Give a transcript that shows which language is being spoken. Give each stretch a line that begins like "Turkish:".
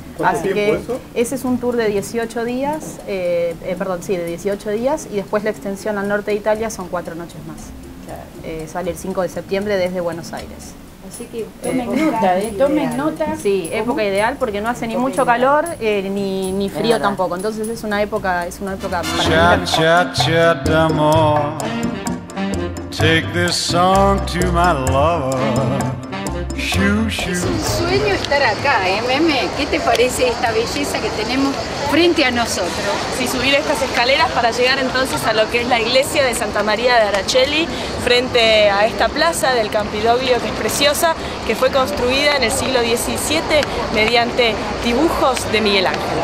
Spanish: Así que ese es un tour de 18 días, de 18 días, y después la extensión al norte de Italia son 4 noches más. Sale el 5 de septiembre desde Buenos Aires. Así que tomen nota. Sí, ¿cómo? Época ideal porque no hace ni mucho calor ni frío nada. Tampoco. Entonces es una época para chat de amor.
English: Take this song to my lover.
Spanish: Es un sueño estar acá, Meme. ¿Qué te parece esta belleza que tenemos frente a nosotros? Sí, subir estas escaleras para llegar entonces a lo que es la iglesia de Santa María de Araceli, frente a esta plaza del Campidoglio, que es preciosa, que fue construida en el siglo XVII mediante dibujos de Miguel Ángel.